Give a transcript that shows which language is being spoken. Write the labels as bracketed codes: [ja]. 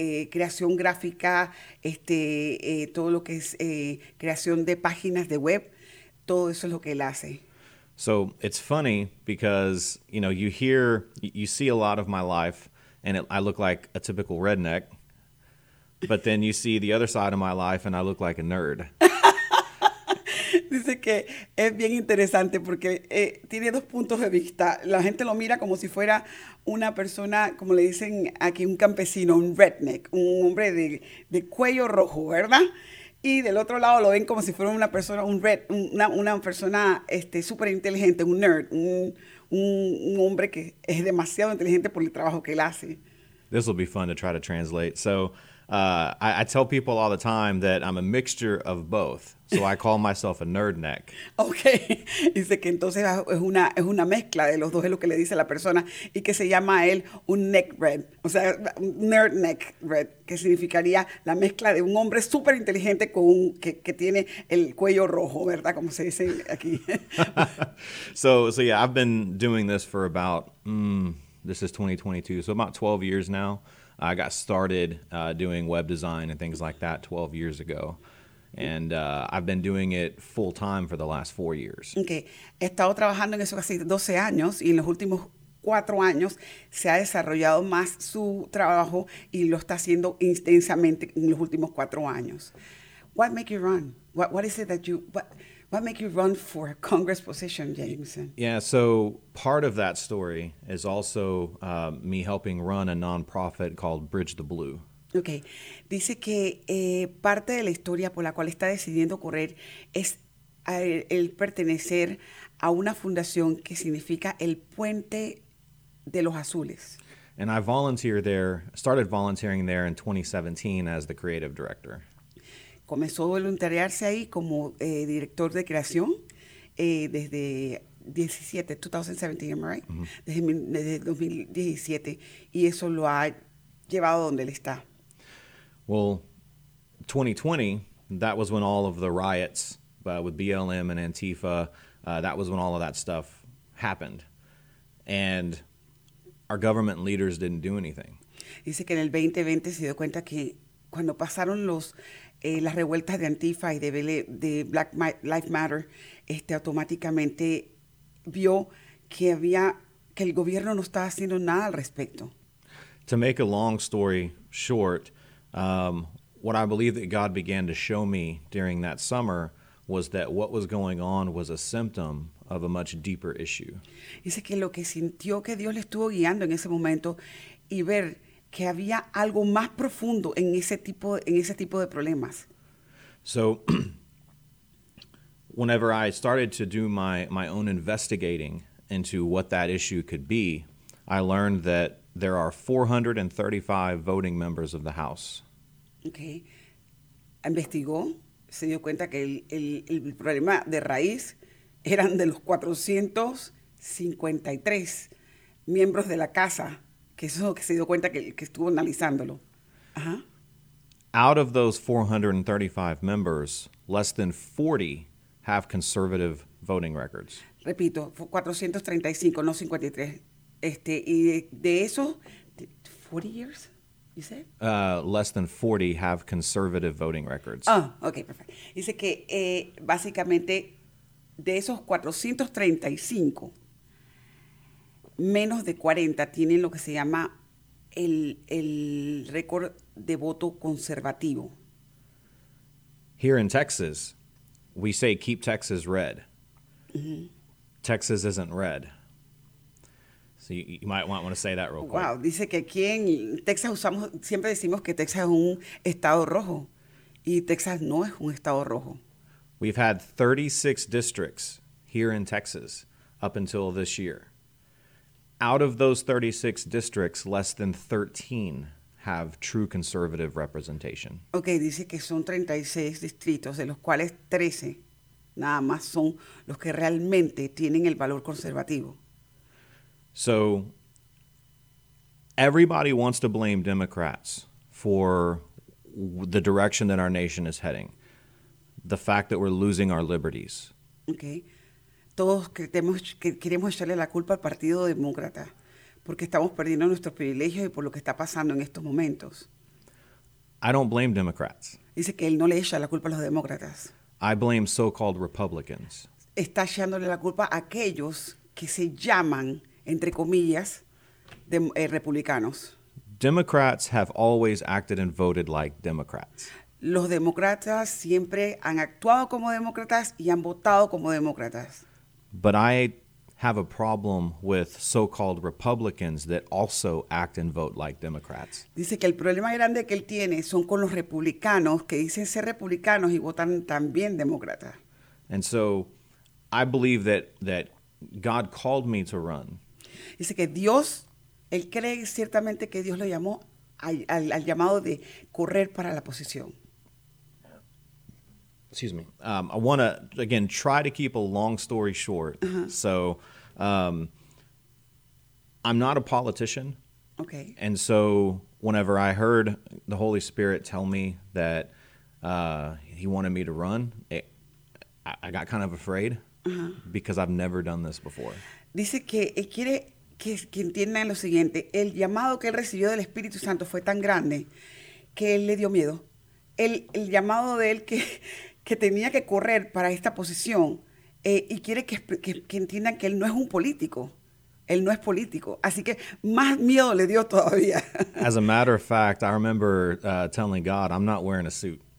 [es] creación gráfica, todo lo que es creación de páginas de web, todo eso es lo que él hace. [en] So it's funny because, you know, you hear, you see a lot of my life, and I look like a typical redneck, but then you see the other side of my life, and I look like a nerd. [es] Dice que es bien interesante porque tiene dos puntos de vista. La gente lo mira como si fuera una persona, como le dicen aquí, un campesino, un redneck, un hombre de cuello rojo, ¿verdad? Y del otro lado lo ven como si fuera una persona, una persona súper inteligente, un nerd, un hombre que es demasiado inteligente por el trabajo que él hace. [en] This will be fun to try to translate. So I tell people all the time that I'm a mixture of both. So I call myself a nerd neck. Okay. [es] Dice que entonces es una mezcla de los dos, es lo que le dice la persona, y que se llama a él un neck red. O sea, nerd neck red, que significaría la mezcla de un hombre súper inteligente con un que tiene el cuello rojo, ¿verdad? Como se dice aquí. [en] So yeah, I've been doing this for about, this is 2022, so about 12 years now. I got started doing web design and things like that 12 years ago. And I've been doing it full time for the last 4 years. Okay. [es] He estado trabajando en eso casi 12 años, y en los últimos 4 años se ha desarrollado más su trabajo y lo está haciendo intensamente en los últimos 4 años. [en] What make you run? What make you run for a Congress position, Jameson? Yeah, so part of that story is also me helping run a nonprofit called Bridge the Blue. Okay. [es] Dice que parte de la historia por la cual está decidiendo correr es el pertenecer a una fundación que significa el Puente de los Azules. [en] And I started volunteering there in 2017 as the creative director. [es] Comenzó a voluntariarse ahí como director de creación desde 2017, [en] am I right? Mm-hmm. [es] Desde 2017, y eso lo ha llevado donde él está. [en] Well, 2020, that was when all of the riots with BLM and Antifa, that was when all of that stuff happened. And our government leaders didn't do anything. [es] Dice que en el 2020 se dio cuenta que cuando pasaron las revueltas de Antifa y de Black Lives Matter, automáticamente vio que el gobierno no estaba haciendo nada al respecto. [en] To make a long story short, what I believe that God began to show me during that summer was that what was going on was a symptom of a much deeper issue. [es] Dice que lo que sintió que Dios le estuvo guiando en ese momento y ver que había algo más profundo en ese tipo de problemas. [en] So, whenever I started to do my own investigating into what that issue could be, I learned that there are 435 voting members of the House. Okay. [es] Investigó, se dio cuenta que el problema de raíz eran de los 453 miembros de la casa, que eso que se dio cuenta que estuvo analizándolo. Ajá. [en] Out of those 435 members, less than 40 have conservative voting records. [es] Repito, 435, no 53. Y de eso, [en] 40 years, you said? Less than 40 have conservative voting records. Ah, okay, perfect. [es] Dice que básicamente de esos 435, menos de 40 tienen lo que se llama el récord de voto conservativo. [en] Here in Texas, we say keep Texas red. Mm-hmm. Texas isn't red. So you might want to say that real quick. [es] Wow, dice que aquí en Texas siempre decimos que Texas es un estado rojo, y Texas no es un estado rojo. [en] We've had 36 districts here in Texas up until this year. Out of those 36 districts, less than 13 have true conservative representation. [es] Okay, dice que son 36 distritos, de los cuales 13 nada más son los que realmente tienen el valor conservativo. [en] So, everybody wants to blame Democrats for the direction that our nation is heading, the fact that we're losing our liberties. Okay. [es] Todos queremos echarle la culpa al Partido Demócrata porque estamos perdiendo nuestros privilegios y por lo que está pasando en estos momentos. [en] I don't blame Democrats. [es] Dice que él no le echa la culpa a los demócratas. [en] I blame so-called Republicans. [es] Está echándole la culpa a aquellos que se llaman, entre comillas, republicanos. [en] Democrats have always acted and voted like Democrats. [es] Los demócratas siempre han actuado como demócratas y han votado como demócratas. [en] But I have a problem with so-called Republicans that also act and vote like Democrats. [es] Dice que el problema grande que él tiene son con los republicanos que dicen ser republicanos y votan también demócratas. [en] And so I believe that God called me to run. [es] Dice que Dios, él cree ciertamente que Dios lo llamó al llamado de correr para la posición. [en] Excuse me. I want to, again, try to keep a long story short. Uh-huh. So I'm not a politician. Okay. And so whenever I heard the Holy Spirit tell me that he wanted me to run, I got kind of afraid because I've never done this before. [es] Dice que quiere que entiendan lo siguiente. El llamado que él recibió del Espíritu Santo fue tan grande que él le dio miedo. El llamado de él que tenía que correr para esta posición y quiere que entiendan que él no es un político. Él no es político. Así que más miedo le dio todavía. [en] As a matter of fact, I remember telling God, I'm not wearing a suit.